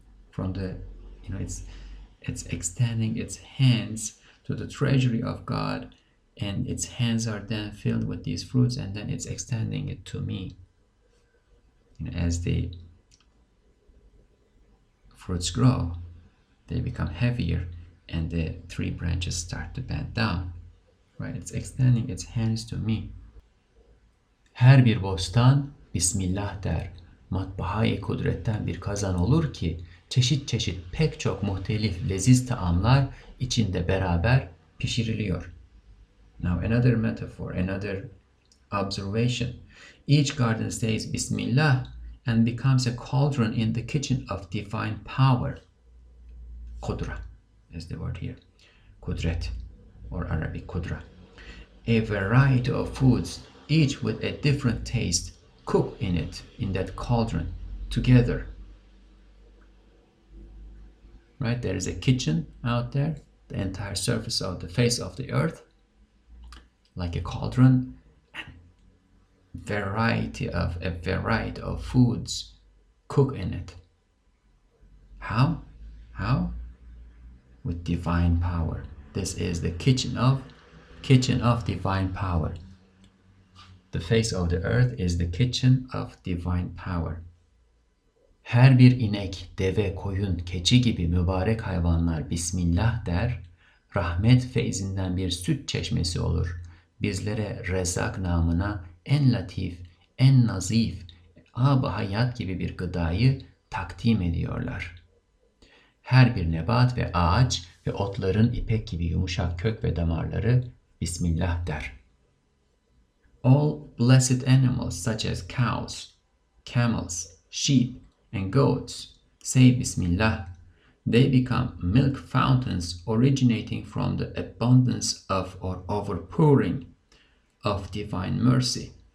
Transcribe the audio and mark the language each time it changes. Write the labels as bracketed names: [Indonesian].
[English] from the, it's extending its hands to the treasury of God, and its hands are then filled with these fruits, and then it's extending it to me, as the fruits grow, they become heavier and the three branches start to bend down, right? It's extending its hands to me. [Turkish] Her bir bostan Bismillah der. Matbahayı kudretten bir kazan olur ki çeşit çeşit pek çok muhtelif leziz taamlar içinde beraber pişiriliyor. [English] Now another metaphor, another observation. Each garden says Bismillah and becomes a cauldron in the kitchen of divine power. Kudra is the word here. Kudret or Arabic kudra. A variety of foods, each with a different taste, cook in it, in that cauldron, together. Right, there is a kitchen out there, the entire surface of the face of the earth, like a cauldron, and a variety of foods cook in it. How? With divine power. This is the kitchen of divine power. The face of the earth is the kitchen of divine power. [Turkish] Her bir inek, deve, koyun, keçi gibi mübarek hayvanlar Bismillah der, rahmet feyzinden bir süt çeşmesi olur. Bizlere Rezzak namına en latif, en nazif, ab-ı hayat gibi bir gıdayı takdim ediyorlar. Her bir nebat ve ağaç ve otların ipek gibi yumuşak kök ve damarları Bismillah der. [English] All blessed animals such as cows, camels, sheep, and goats say Bismillah. They become milk fountains originating from the abundance of or overpouring of divine mercy.